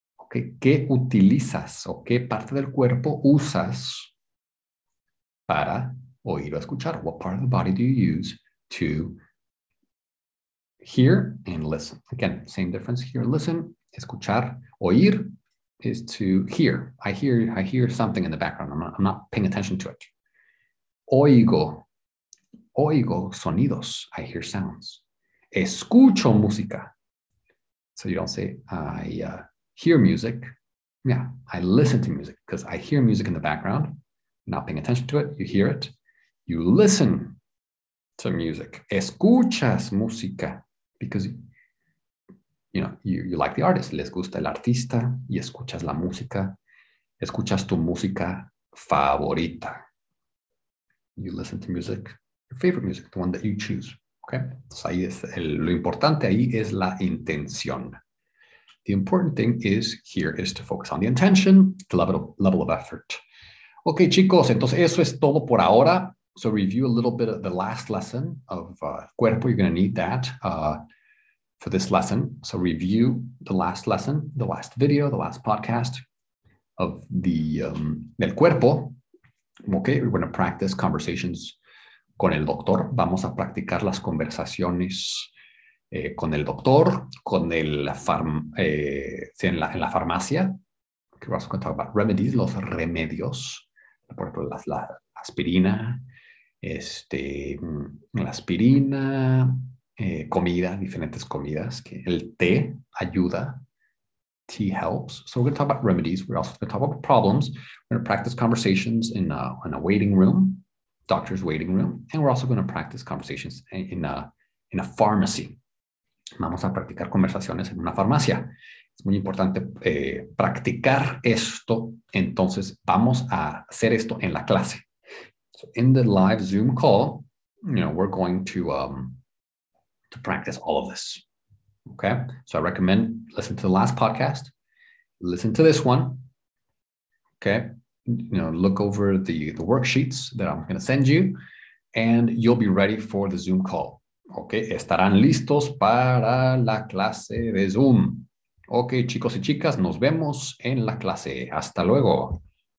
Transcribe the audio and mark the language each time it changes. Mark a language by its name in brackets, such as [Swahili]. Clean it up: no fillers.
[Spanish] ¿Qué utilizas o qué parte del cuerpo usas para oír o escuchar? [English] What part of the body do you use to hear and listen? Again, same difference here. Listen, escuchar, oír is to hear. I hear something in the background. I'm not paying attention to it. [Spanish] Oigo sonidos. [English] I hear sounds. [Spanish] Escucho música. [English] So you don't say, I hear music, Yeah, I listen to music because I hear music in the background, not paying attention to it. You hear it. You listen to music. [Spanish] Escuchas música [English] because you like the artist. [Spanish] Les gusta el artista y escuchas la música. Escuchas tu música favorita. [English] You listen to music, your favorite music, the one that you choose. Okay. [Spanish] So ahí es lo importante ahí es la intención. [English] The important thing is here is to focus on the intention, the level of effort. [Spanish] Okay, chicos, entonces eso es todo por ahora. [English] So review a little bit of the last lesson of cuerpo. You're going to need that for this lesson. So review the last lesson, the last video, the last podcast of the del cuerpo. Okay, we're going to practice conversations [Spanish] con el doctor. Vamos a practicar las conversaciones. Con el doctor, con el farm, en la farmacia, que vamos a contar [English] about remedies, [Spanish] los remedios, por ejemplo, la aspirina, la aspirina, comida, diferentes comidas, que el té ayuda, [English] tea helps. So we're going to talk about remedies. We're also going to talk about problems. We're going to practice conversations in a waiting room, doctor's waiting room, and we're also going to practice conversations in a pharmacy. [Spanish] Vamos a practicar conversaciones en una farmacia. Es muy importante practicar esto. Entonces, vamos a hacer esto en la clase. [English] So in the live Zoom call, we're going to practice all of this. Okay? So I recommend listen to the last podcast, listen to this one. Okay? Look over the worksheets that I'm going to send you, and you'll be ready for the Zoom call. [Spanish] Okay, estarán listos para la clase de Zoom. Okay, chicos y chicas, nos vemos en la clase. Hasta luego.